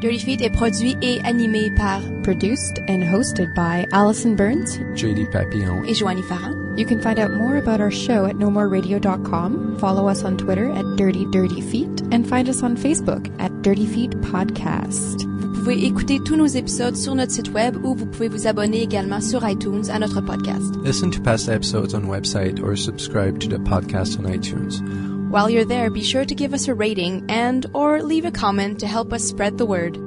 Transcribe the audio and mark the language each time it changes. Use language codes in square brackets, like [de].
[fr] Dirty Feet est produit et animé par... [en] Produced and hosted by Allison Burns, JD Papillon, [fr] et Joanny Farran. [en] You can find out more about our show at nomoreradio.com, follow us on Twitter at Dirty Dirty Feet, and find us on Facebook at Dirty Feet Podcast. [fr] Vous pouvez écouter tous nos épisodes sur notre site web ou vous pouvez vous abonner également sur iTunes à notre podcast. [en] Listen to past episodes on website or subscribe to the podcast on iTunes. While you're there, be sure to give us a rating and or leave a comment to help us spread the word.